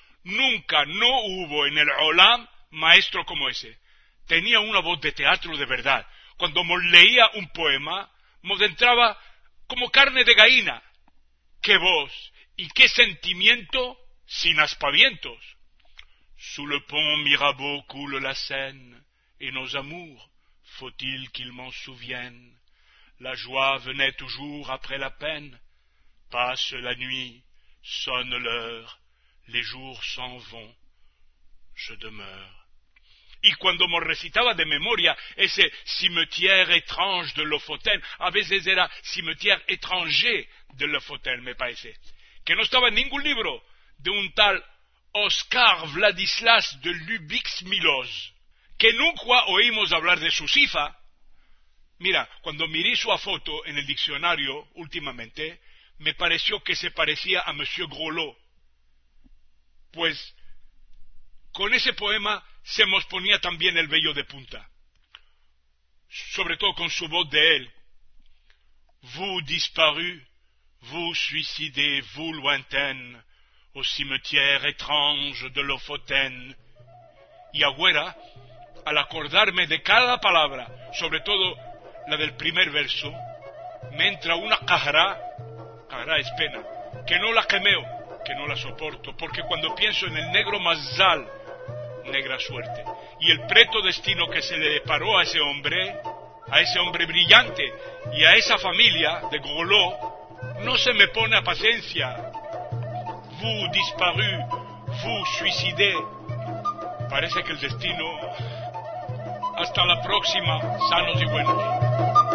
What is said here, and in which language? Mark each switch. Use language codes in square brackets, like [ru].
[lad] Nunca no hubo en el Olam maestro como ese. Tenía una voz de teatro de verdad. Cuando mos leía un poema, mos entraba como carne de gallina. ¡Qué voz y qué sentimiento sin aspavientos! [fr] Sous le pont Mirabeau coule la Seine. Et nos amours, faut-il qu'ils m'en souviennent? La joie venait toujours après la peine. Passe la nuit, sonne l'heure, les jours s'en vont, je demeure. [lad] Y cuando me recitaba de memoria ese [fr] cimetière étrange de Lofoten, [lad] a veces era [fr] cimetière étranger de Lofoten, [lad] me parece, que no estaba en ningún libro de un tal Oscar Vladislas de Lubix-Miloz. Que nunca oímos hablar de su cifa. Mira, cuando miré su foto en el diccionario últimamente, me pareció que se parecía a Monsieur Grolot. Pues, con ese poema se nos ponía también el vello de punta. Sobre todo con su voz de él. [fr] Vous disparu, vous suicidé, vous lointaine, au cimetière étrange de Lofoten. [lad] Y agüera, al acordarme de cada palabra, sobre todo la del primer verso, me entra una cajará es pena, que no la quemeo, que no la soporto, porque cuando pienso en el negro mazal, negra suerte, y el preto destino que se le deparó a ese hombre brillante, y a esa familia de Grolot, no se me pone a paciencia. [fr] Vous disparu, vous suicidé. [lad] Parece que el destino... Hasta la próxima, sanos y buenos.